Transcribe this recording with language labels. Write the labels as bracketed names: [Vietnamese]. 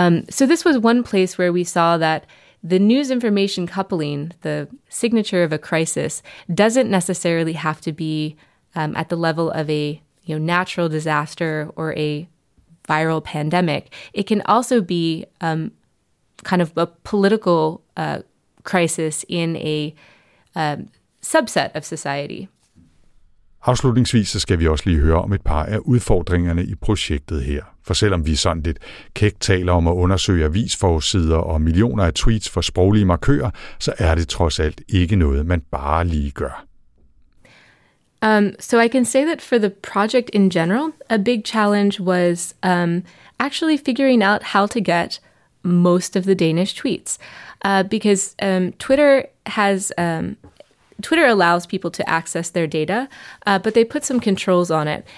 [English] So this was one place where we saw that the news information coupling, the signature of a crisis, doesn't necessarily have to be at the level of a, you know, natural disaster or a viral pandemic. It can also be kind of a political crisis in a subset of society. [Danish] Afslutningsvis så skal vi også lige høre om et par af udfordringerne i projektet her. For selvom vi sådan lidt kægt taler om at undersøge avisforsider og millioner af tweets for sproglige markører, så er det trods alt ikke noget, man bare lige gør. [English] So I can say that for the project in general, a big challenge was actually figuring out how to get most of the Danish tweets, because Twitter has Twitter allows people to access their data, but they put some controls on it.